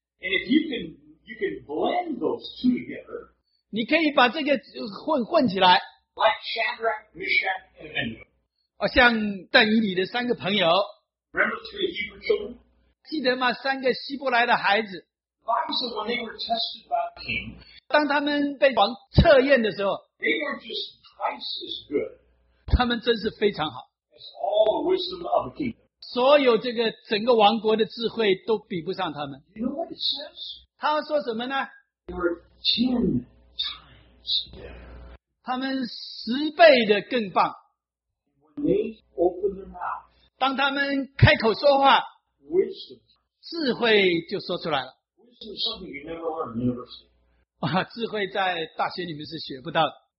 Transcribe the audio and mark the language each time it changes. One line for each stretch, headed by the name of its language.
English: And if you can blend those two together,
Chinese: 你可以把这个混起来。
English: Like Shadrach, Meshach, and Abednego.
Chinese: 像但以理的三个朋友。
English: Remember the three Hebrew children?
Chinese: 记得吗？三个希伯来的孩子。
English: Bible says when they were tested by the king,
Chinese: 当他们被王测验的时候
English: They were just twice as good.
Chinese: 他们真是非常好
English: It's all the wisdom of the kingdom.
Chinese: 所有这个整个王国的智慧都比不上他们
English: You know what it says?
Chinese: 他说什么呢
English: They were 10 times better.
Chinese: 他们十倍的更棒
English: When they opened their mouth,
Chinese: 当他们开口说话
English: wisdom.
Chinese: 智慧就说出来了
English: Wisdom is something you never learn in university.
Chinese: 智慧在大学里面是学不到的。